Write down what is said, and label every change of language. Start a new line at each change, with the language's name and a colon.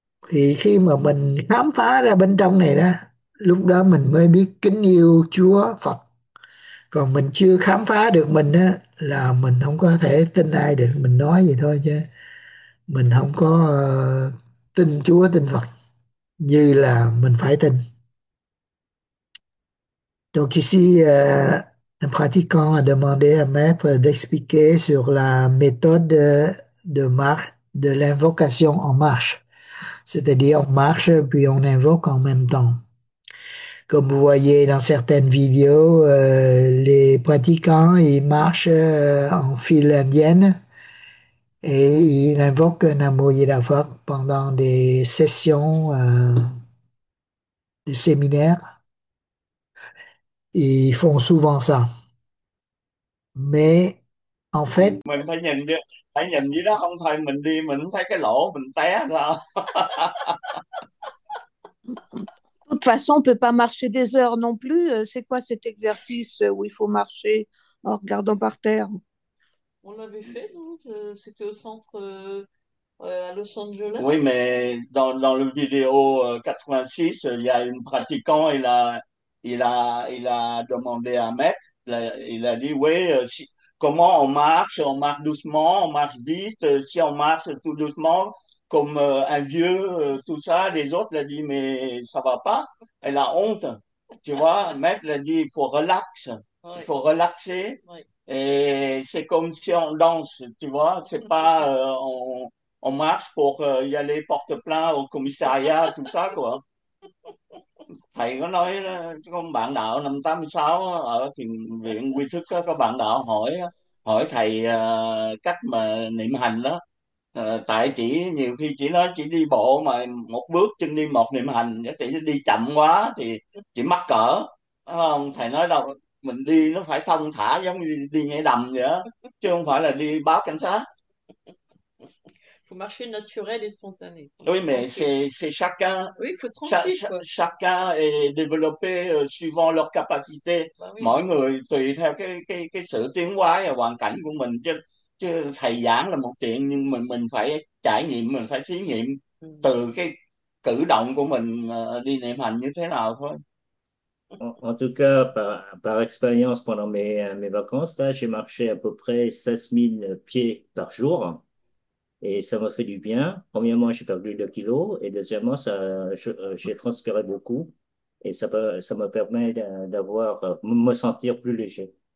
Vietnamese: Thì khi mà mình khám phá ra bên trong này đó, lúc đó mình mới biết kính yêu Chúa Phật. Còn mình chưa khám phá được mình á là mình không có thể tin ai được, mình nói vậy thôi chứ mình không có tin Chúa tin Phật như là mình phải tin.
French: Donc ici, un pratiquant a demandé à maître d'expliquer sur la méthode de marche de l'invocation en marche, c'est-à-dire on marche puis on invoque en même temps. Comme vous voyez dans certaines vidéos, les pratiquants, ils marchent en file indienne et ils invoquent Namo Yedavak pendant des sessions, des séminaires. Ils font souvent ça. Mais en fait,
Vietnamese: Mình phải nhìn dưới đó không, thôi mình đi mình thấy cái lỗ mình té là
French: De toute façon, on ne peut pas marcher des heures non plus. C'est quoi cet exercice où il faut marcher en regardant par terre? on l'avait fait, non? C'était au centre à Los Angeles. Oui, mais dans le vidéo 86, il y a un pratiquant, il a demandé à Maître, il a dit, oui, si, comment on marche doucement, on marche vite, si on marche tout doucement. Comme un vieux, tout ça, les autres l'ont dit, mais ça va pas, elle a honte. Tu vois, le maître l'a dit, il faut relax. Oui. faut relaxer. Oui. Et c'est comme si on danse, tu vois. C'est pas, on marche pour y aller porte-plainte au commissariat, tout ça, quoi.
Vietnamese: Thầy có nói con bạn đạo năm 86 ở thiền viện Quy Thức đó, có bạn đạo hỏi hỏi thầy cách mà niệm hành đó, tại chỉ nhiều khi chỉ nói chỉ đi bộ mà một bước chân đi một niệm hành, chỉ đi chậm quá thì chỉ mắc cỡ, đúng không? Thầy nói đâu mình đi nó phải thong thả giống như đi nhảy đầm vậy đó, chứ không phải là đi báo cảnh sát.
French: Faut marcher naturel et spontané, Oui, mais tranquille. c'est chacun. Oui, il faut être Cha tranquille, quoi. chacun est développé suivant leur capacité, Bah oui.
Vietnamese: mỗi người tùy theo cái sự tiến hóa và hoàn cảnh của mình, chứ chứ thầy giảng là một chuyện, nhưng mình phải trải nghiệm, mình phải thí nghiệm từ cái cử động của mình đi niệm hành như thế nào thôi.
French: En tout cas, par expérience, pendant mes vacances, là, j'ai marché à peu près 16 000 pieds par jour. Et ça m'a fait du bien. Premièrement, j'ai perdu 2 kilos. Et deuxièmement, j'ai transpiré beaucoup. Et ça me permet d'avoir, me sentir plus léger.